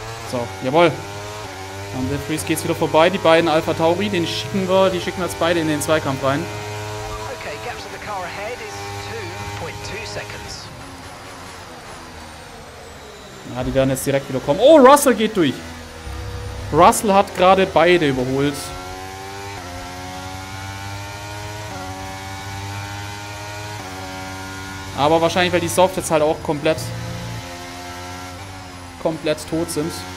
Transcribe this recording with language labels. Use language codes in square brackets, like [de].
[de] So, jawohl. Und der Freeze geht's wieder vorbei. Die beiden Alpha Tauri, den schicken wir, die schicken wir jetzt beide in den Zweikampf rein. [en] Okay, gaps of the car ahead is 2.2 seconds. [de] Ja, die werden jetzt direkt wieder kommen. Oh, Russell geht durch. Russell hat gerade beide überholt. Aber wahrscheinlich, weil die Soft jetzt halt auch komplett tot sind.